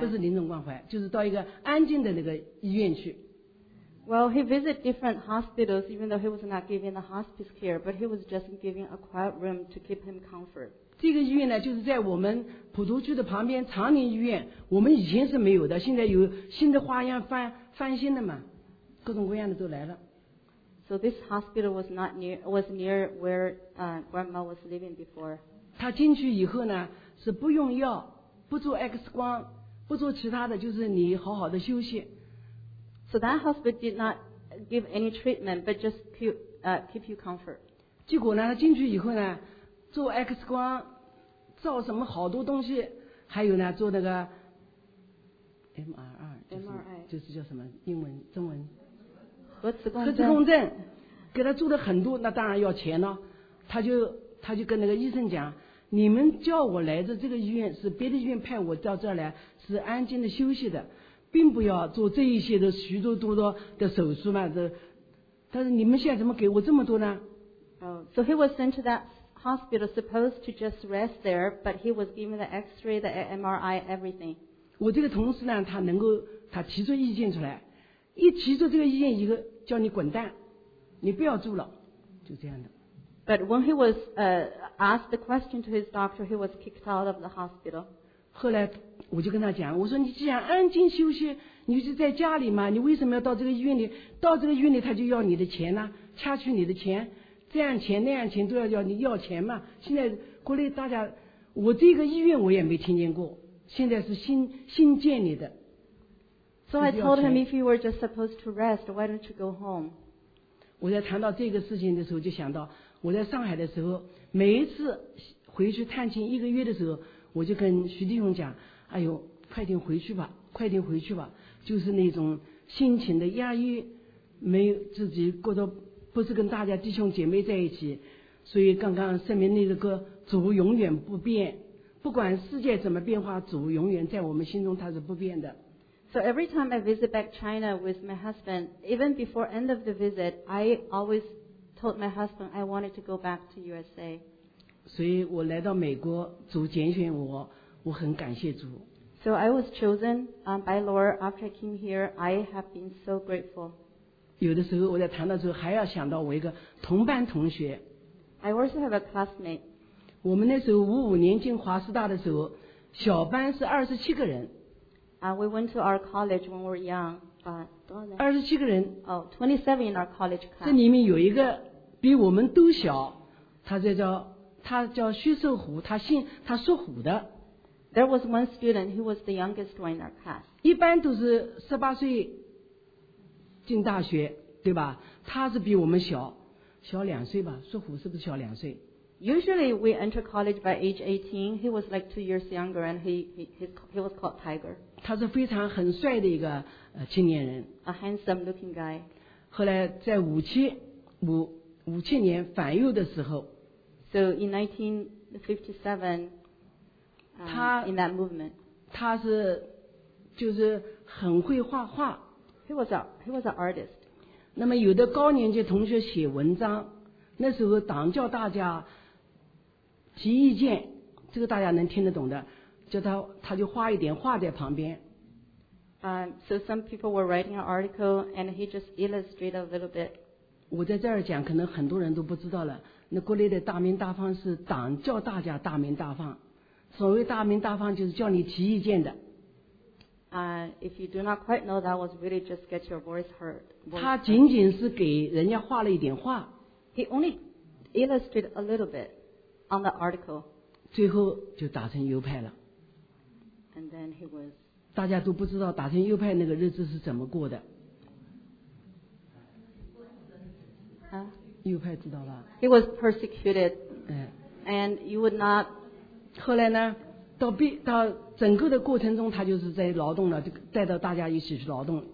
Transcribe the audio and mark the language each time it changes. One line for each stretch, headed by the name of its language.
Chinese: 不是临终关怀，就是到一个安静的那个医院去。
English: Well, he visited different hospitals, even though he was not giving the hospice care, but he was just giving a quiet room to keep him comfort.
Chinese: 这个医院呢，就是在我们普陀区的旁边长宁医院，我们以前是没有的，现在有新的花样翻新的嘛，各种各样的都来了。
English: So this hospital was near where grandma was living before.
Chinese: 他进去以后呢，是不用药。不做 X 光，不做其他的，就是你好好的休息。
English: So that hospital did not give any treatment, but just keep you comfort.
Chinese: 结果呢，他进去以后呢，做 X 光，照什么好多东西，还有呢，做那个 MRI， 就是叫什么英文中文？核磁共振，给他做了很多，那当然要钱了。他就跟那个医生讲。你们叫我来的这个医院是别的医院派我到这儿来是安静的休息的，并不要做这一些的许多多多的手术嘛，但是你们现在怎么给我这么多呢？
English: So he was sent to that hospital supposed to just rest there, but he was given the x-ray, the MRI, everything.
Chinese: 我这个同事呢，他提出意见出来，一提出这个意见一个叫你滚蛋，你不要住了，就这样的。
English: But when he was asked the question to his doctor, he was kicked out of the hospital.
Chinese: 后来我就跟他讲，我说你既然安静休息，你是在家里嘛，你为什么要到这个医院里？到这个医院里他就要你的钱呢，掐取你的钱，这样钱那样钱都要要你要钱嘛。现在国内大家，我这个医院我也没听见过，现在是新建立的。
English: So I told him, if you were just supposed to rest, why don't you go home?
Chinese: 我在谈到这个事情的时候，就想到。我在上海的时候，每一次回去探亲一个月的时候，我就跟徐弟兄讲：“哎呦，快点回去吧，快点回去吧。” 就是那种心情的压抑，没有自己过得不是跟大家弟兄姐妹在一起。所以刚刚圣明那个主永远不变，不管世界怎么变化，主永远在我们心中他是不变的。
English: So every time I visit back China with my husband, even before end of the visit, I always. Told my husband I wanted to go back to USA.
Chinese: 所以我来到美国，主拣选我，我很感谢主。
English: So I was chosen by Lord after I came here. I have been so grateful.
Chinese: 有的时候我在谈到之后，还要想到我一个同班同学。
English: I also have a classmate.
Chinese: 我们那时候55年进华师大的时候，小班是27个人。
English: We went to our college when we were young.
Chinese: 27个人。
English: 27 in our college class.
Chinese: 这里面有一个比我们都小，他叫徐寿虎，他属虎的。
English: There was one student who was the youngest one in our class.
Chinese: 一般都是18岁进大学，对吧？他是比我们小2岁吧？属虎是不是小两岁
English: ？Usually we enter college by age 18. He was like 2 years younger, and he was called Tiger.
Chinese: 他是非常很帅的一个青年人
English: ，a handsome looking guy。
Chinese: 后来在五七年反右的时候
English: ，so in 1957， in that movement，
Chinese: 他是就是很会画画
English: ，he was an artist。
Chinese: 那么有的高年级同学写文章，那时候党叫大家提意见，这个大家能听得懂的。叫他就画一点画在旁边。
English: So some people were writing an article, and he just illustrated a little bit.
Chinese: 我在这儿讲，可能很多人都不知道了。那国内的大名大放是党叫大家大名大放，所谓大名大放就是叫你提意见的。
English: If you do not quite know, that was really just get your voice heard.
Chinese: 他仅仅是给人家画了一点画。
English: He only illustrated a little bit on the article.
Chinese: 最后就打成邮派了。
English: And then he was
Chinese: 大家都不知道打成右派那个日子是怎么过的。右派知道吧？
English: He was persecuted. And you would not.
Chinese: 后来呢？到整个的过程中，他就是在劳动了，就带到大家一起去劳动。